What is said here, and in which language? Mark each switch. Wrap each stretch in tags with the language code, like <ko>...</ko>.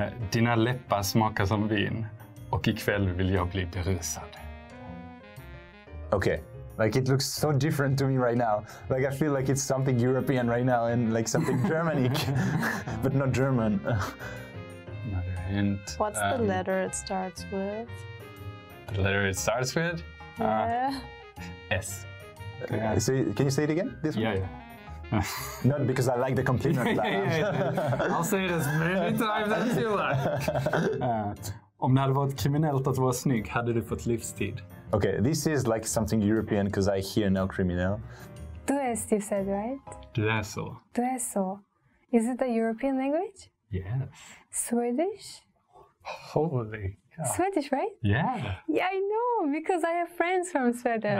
<sv>Dina läppar smakar som vin och ikväll vill jag bli berusad.</sv> <en>Okay, like it looks so different to me right now. Like I feel like it's something European right now and like something Germanic, but not German. Hint. What's the letter it starts with? The letter it starts with? Yeah. S. Can you say it again? This one? Yeah, yeah. Not because I like the compliment. Yeah. I'll say it as many times as you like.</en> <sv>Om det hade varit kriminellt att vara snygg, hade du fått livstid.</sv> <en>Okay, this is like something European because I hear no criminal.</en> <sv>Du är så,</sv> <en>you said, right?</en> <sv>Du är så. Du är så.</sv> <en>Is it a European language? Yes. Swedish? Holy cow. Swedish, right? Yeah. Yeah, I know, because I have friends from Sweden.</en>